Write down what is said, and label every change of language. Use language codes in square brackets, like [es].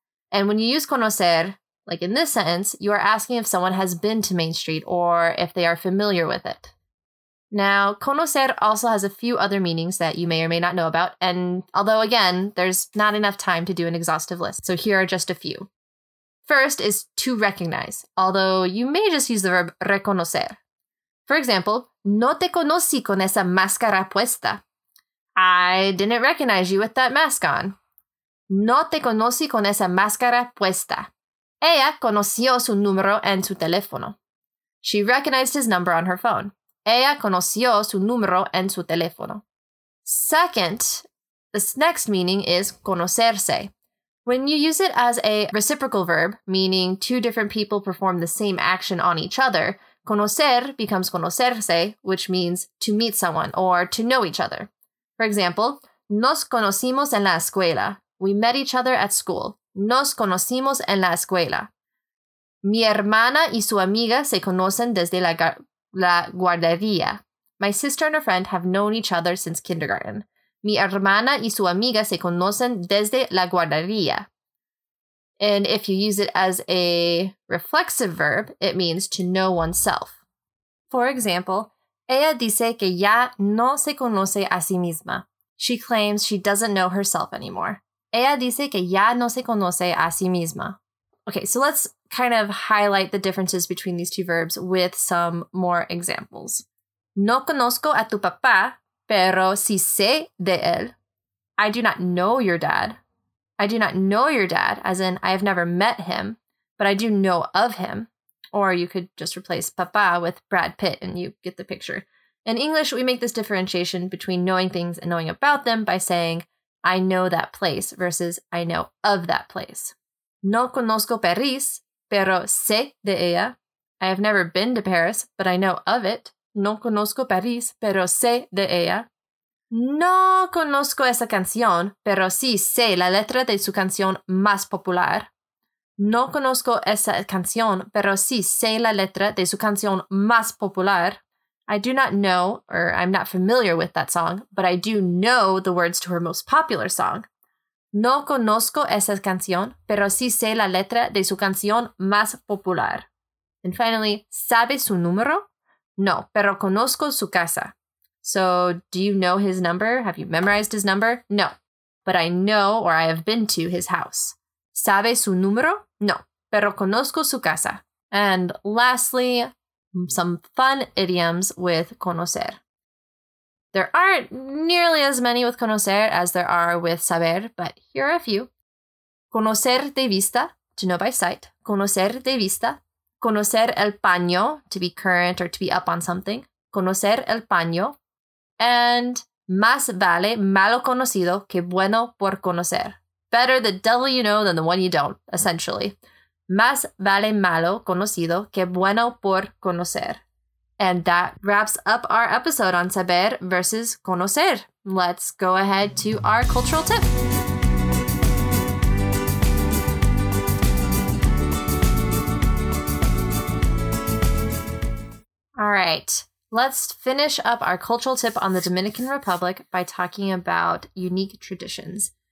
[en] And when you use conocer, like in this sentence, you are asking if someone has been to Main Street or if they are familiar with it. Now, conocer also has a few other meanings that you may or may not know about, and although, again, there's not enough time to do an exhaustive list, so here are just a few. First is to recognize, although you may just use the verb reconocer. For example, [es] no te conocí con esa máscara puesta. [en] I didn't recognize you with that mask on. [es] No te conocí con esa máscara puesta. Ella conoció su número en su teléfono. [en] She recognized his number on her phone. [es] Ella conoció su número en su teléfono. [en] Second, this next meaning is conocerse. When you use it as a reciprocal verb, meaning two different people perform the same action on each other, conocer becomes conocerse, which means to meet someone or to know each other. For example, [es] nos conocimos en la escuela. [en] We met each other at school. [es] Nos conocimos en la escuela. Mi hermana y su amiga se conocen desde la guardería. [en] My sister and her friend have known each other since kindergarten. [es] Mi hermana y su amiga se conocen desde la guardería. [en] And if you use it as a reflexive verb, it means to know oneself. For example, [es] ella dice que ya no se conoce a sí misma. [en] She claims she doesn't know herself anymore. [es] Ella dice que ya no se conoce a sí misma. [en] Okay, so let's kind of highlight the differences between these two verbs with some more examples. [es] No conozco a tu papá, pero sí sé de él. [en] I do not know your dad. I do not know your dad, as in I have never met him, but I do know of him. Or you could just replace papá with Brad Pitt and you get the picture. In English, we make this differentiation between knowing things and knowing about them by saying I know that place versus I know of that place. [es] No conozco París, pero sé de ella. [en] I have never been to Paris, but I know of it. [es] No conozco París, pero sé de ella. No conozco esa canción, pero sí sé la letra de su canción más popular. No conozco esa canción, pero sí sé la letra de su canción más popular. [en] I do not know, or I'm not familiar with that song, but I do know the words to her most popular song. [es] No conozco esa canción, pero sí sé la letra de su canción más popular. [en] And finally, [es] ¿sabe su número? No, pero conozco su casa. [en] So, do you know his number? Have you memorized his number? No, but I know or I have been to his house. [es] ¿Sabe su número? No, pero conozco su casa. [en] And lastly, some fun idioms with conocer. There aren't nearly as many with conocer as there are with saber, but here are a few. [es] Conocer de vista, [en] to know by sight. [es] Conocer de vista. Conocer el paño, [en] to be current or to be up on something. [es] Conocer el paño. And más vale malo conocido que bueno por conocer. [en] Better the devil you know than the one you don't, essentially. [es] Más vale malo conocido que bueno por conocer. [en] And that wraps up our episode on saber versus conocer. Let's go ahead to our cultural tip. All right, let's finish up our cultural tip on the Dominican Republic by talking about unique traditions.